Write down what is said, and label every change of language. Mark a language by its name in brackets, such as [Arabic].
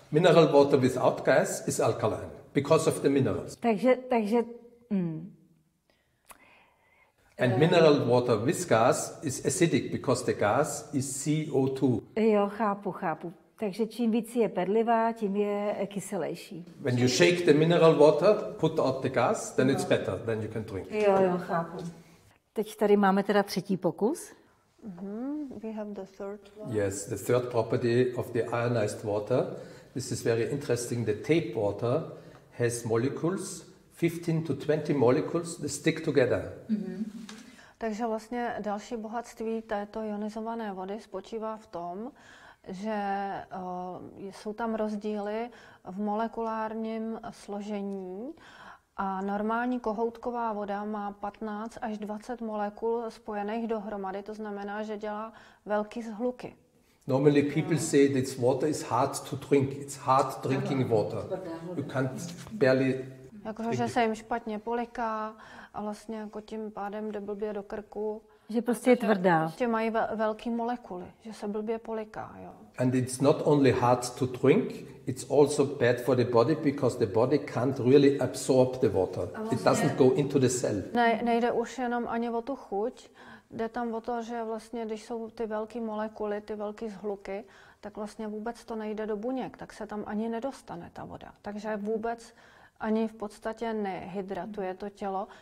[English] Mineral water without gas is alkaline. Because of the minerals. [Czech] Takže... [English] And mineral water with gas is acidic because the gas is CO2. [Czech] Jo, chápu. Takže čím víc je pedlivá, tím je kyselější. [English] When you shake the mineral water, put out the gas, then no. It's better, then you can drink. [Czech] Jo, chápu. Teď tady máme teda třetí pokus. [English] Mm-hmm. We have the third one. Yes, the third property of the ionized water. This is very interesting. The tape water has molecules, 15 to 20 molecules, they stick together. Mm-hmm. [Czech] Takže vlastně další bohatství této ionizované vody spočívá v tom, že jsou tam rozdíly v molekulárním složení a normální kohoutková voda má 15 až 20 molekul spojených dohromady, to znamená, že dělá velký zhluky. [English] Normally people say this water is hard to drink. It's hard drinking water. You can't barely [Czech] jakože že se jim špatně poliká a vlastně jako tím pádem jde blbě do krku. Že prostě je tvrdá. Prostě mají velký molekuly, že se blbě poliká, jo. [English] And it's not only hard to drink, it's also bad for the body because the body can't really absorb the water. [Czech] Vlastně [English] it doesn't go into the cell. [Czech] Nejde už jenom ani o tu chuť. Jde tam o to, že vlastně když jsou ty velké molekuly, ty velké zhluky, tak vlastně vůbec to nejde do buněk, tak se tam ani nedostane ta voda. Takže vůbec ani v podstatě nehydratuje to tělo.